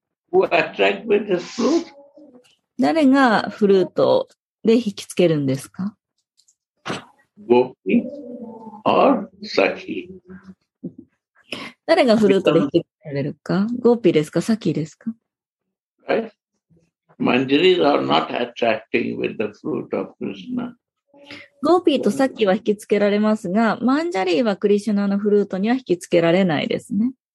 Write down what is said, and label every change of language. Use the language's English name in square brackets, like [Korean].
[English] Who attracts with the fruit? [Japanese] 誰がフルートで引きつけるんですか? [English] Gopi or Sakhi? [Japanese] 誰がフルートで引きつけられるか? Gopi ですか?Sakhi ですか? [English] Right? Manjaris are not attracting with the fruit of Krishna. [Japanese] ゴーピーとサキは引きつけられますが、マンジャリーはクリシュナのフルートには引きつけられないですね。